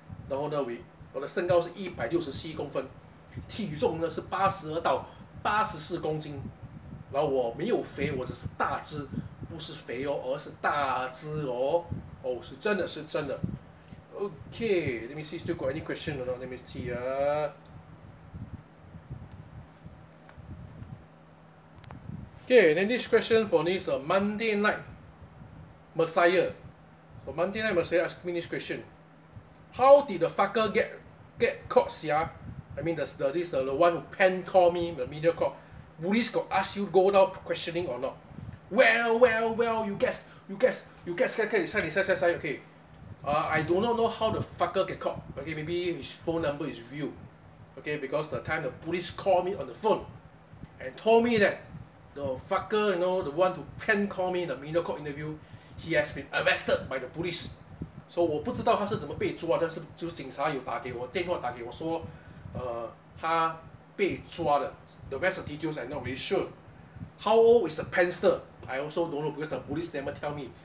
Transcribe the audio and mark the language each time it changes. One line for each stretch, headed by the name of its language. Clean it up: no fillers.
Chinese: 然后呢，我的身高是167公分，体重呢是82到84公斤。然后我没有肥，我只是大只，不是肥哦，而是大只哦。哦，是真的，是真的。
English: Okay, let me see, still got any question or not, let me see, Okay, then this question for this Monday Night Messiah. So Monday Night Messiah asked me this question. How did the fucker get caught, siya? I mean, the one who pen call me, the media call. Police got asked you go down questioning or not? Well, you guess, okay. I do not know how the fucker get caught. Okay, maybe his phone number is real. Okay, because the time the police called me on the phone and told me that the fucker, you know, the one who prank called me in the media court interview, he has been arrested by the police.
Chinese: So, 我不知道他是怎么被抓，但是就是警察有打给我，电话打给我说，他被抓了。
English: The rest of the details, I'm not really sure. How old is the prankster? I also don't know because the police never tell me.